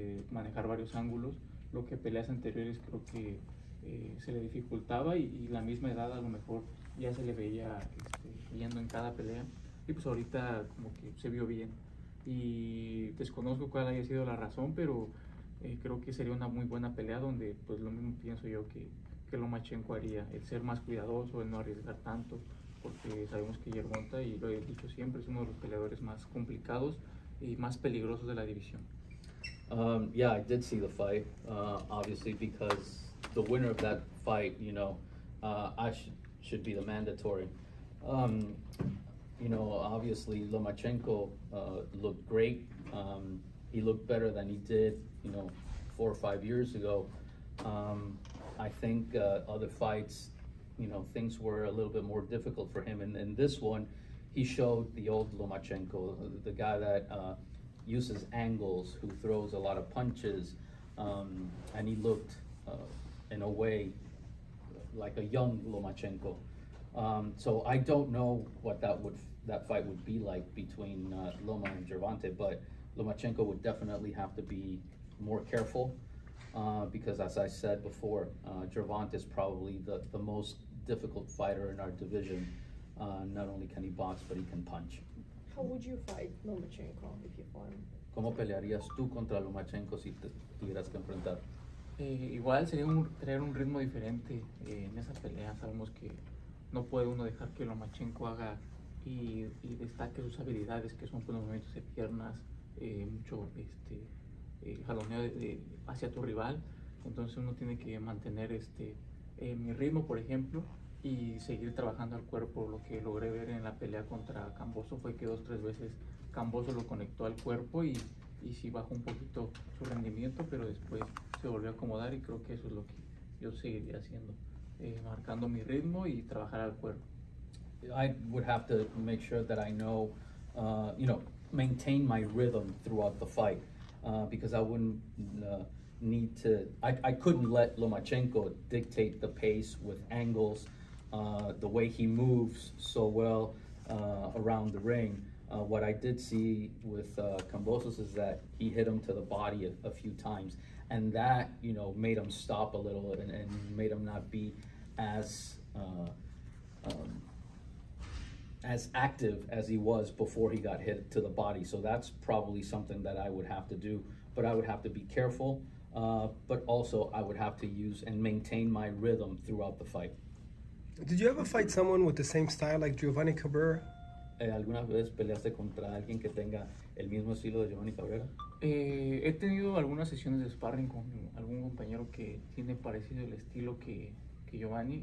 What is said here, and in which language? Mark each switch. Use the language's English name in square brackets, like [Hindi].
[Spanish] manejar varios ángulos, lo que peleas anteriores creo que se le dificultaba y la misma edad a lo mejor ya se le veía yendo en cada pelea y pues ahorita como que se vio bien y desconozco cuál haya sido la razón, pero creo que sería una muy buena pelea donde pues lo mismo pienso yo que Lomachenko haría, el ser más cuidadoso, el no arriesgar tanto, porque sabemos que Gervonta, y lo he dicho siempre, es uno de los peleadores más complicados y más peligrosos de la división. [English] Yeah, I did see the fight, obviously, because the winner of that fight, you know, should be the mandatory. You know, obviously, Lomachenko looked great. He looked better than he did, you know, 4 or 5 years ago. I think other fights, you know, things were a little bit more difficult for him. And in this one, he showed the old Lomachenko, the guy that uses angles, who throws a lot of punches, and he looked in a way like a young Lomachenko. So I don't know what that fight would be like between Loma and Gervonta, but Lomachenko would definitely have to be more careful because, as I said before, Gervonta is probably the most difficult fighter in our division. Not only can he box, but he can punch. How would you fight Lomachenko if you fought him? [Spanish] ¿Cómo pelearías tú contra Lomachenko si te tuvieras que enfrentar? Igual sería traer un ritmo diferente en esa pelea. Sabemos que no puede uno dejar que Lomachenko haga y destaque sus habilidades, que son buenos movimientos de piernas, mucho jaloneo hacia tu rival. Entonces uno tiene que mantener mi ritmo, por ejemplo, y seguir trabajando al cuerpo. Lo que logré ver en la pelea contra Cambosas fue que 2 o 3 veces Cambosas lo conectó al cuerpo y sí bajó un poquito su rendimiento, pero después se volvió a acomodar y creo que eso es lo que yo seguiría haciendo, marcando mi ritmo y trabajar al cuerpo. [English] I would have to make sure that I know, you know, maintain my rhythm throughout the fight, because I wouldn't need to, I couldn't let Lomachenko dictate the pace with angles, the way he moves so well around the ring. What I did see with Cambosas is that he hit him to the body a few times, and that, you know, made him stop a little and made him not be as active as he was before he got hit to the body. So that's probably something that I would have to do, but I would have to be careful. But also I would have to use and maintain my rhythm throughout the fight. Did you ever fight someone with the same style like Giovanni Cabrera? [Spanish] ¿Alguna vez peleaste contra alguien que tenga el mismo estilo de Giovanni Cabrera? He tenido algunas sesiones de sparring con algún compañero que tiene parecido el estilo que Giovanni.